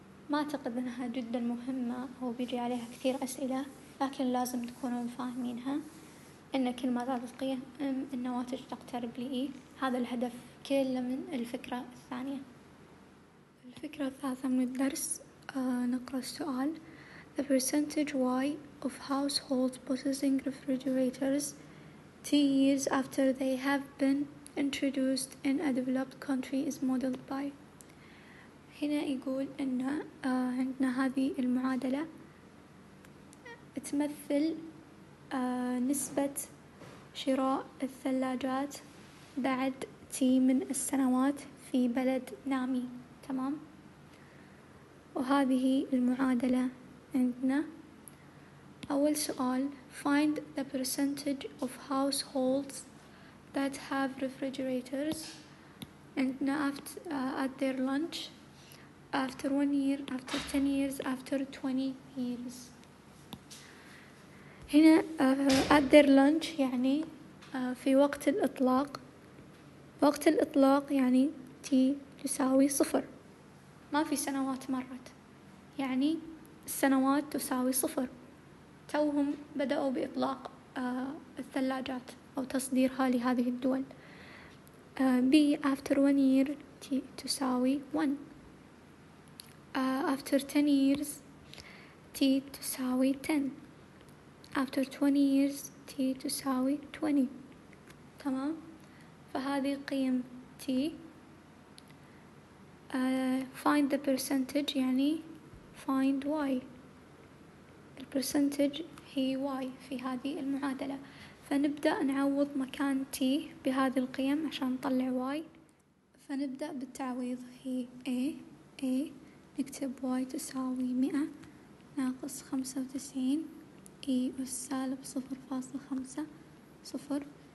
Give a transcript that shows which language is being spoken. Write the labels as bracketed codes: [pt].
[ar] ما أعتقد أنها جدا مهمة أو بيجي عليها كثير أسئلة، لكن لازم تكونوا فاهمينها، إن كل ما زادت قيم النواتج تقترب لي إيه. هذا الهدف كل من الفكرة الثانية. الفكرة الثالثة من الدرس، نقرأ السؤال. [en] The percentage Y of households possessing refrigerators 10 years after they have been introduced in a developed country is modeled by. [ar] هنا يقول ان عندنا هذه المعادلة تمثل نسبة شراء الثلاجات بعد تي من السنوات في بلد نامي. تمام، وهذه المعادلة عندنا. اول سؤال، [en] find the percentage of households that have refrigerators [ar] عندنا [en] at their lunch after 1 year, after 10 years, after 20 years. [ar] هنا [en] at their lunch [ar] يعني في وقت الإطلاق، وقت الإطلاق يعني تي تساوي صفر، ما في سنوات مرت، يعني السنوات تساوي صفر، توهم بدأوا بإطلاق الثلاجات أو تصديرها لهذه الدول. [en] B after 1 year [ar] تي تساوي 1، [en] after 10 years t [ar] تساوي 10، [en] after 20 years t [ar] تساوي 20. تمام، فهذه قيم t. [en] find the percentage [ar] يعني [en] find y، [ar] ال percentage هي y في هذه المعادلة. فنبدأ نعوض مكان t بهذه القيم عشان نطلع y. فنبدأ بالتعويض. هي A نكتب y تساوي 100 ناقص 95 e والسالب 0.5 صفر.